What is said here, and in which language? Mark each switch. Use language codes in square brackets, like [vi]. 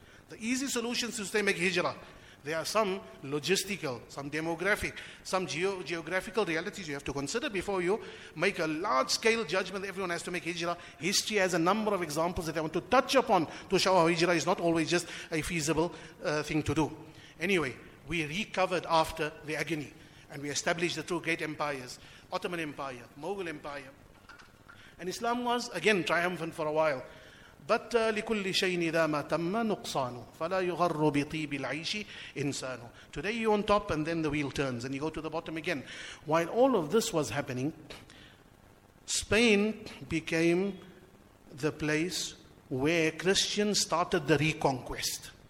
[en] The easy solution is to make hijrah. There are some logistical, some demographic, some geographical realities you have to consider before you make a large-scale judgment that everyone has to make hijrah. History has a number of examples that I want to touch upon to show how hijrah is not always just a feasible thing to do. Anyway, we recovered after the agony, and we established the two great empires, Ottoman Empire, Mughal Empire. And Islam was, again, triumphant for a while. [ar] But لكل شيء إذا ما تم نقصانه فلا يغر بطيب العيش إنسانه. [en] Today you're on top and then the wheel turns and you go to the bottom again. While all of this was happening, Spain became the place where Christians started the reconquest.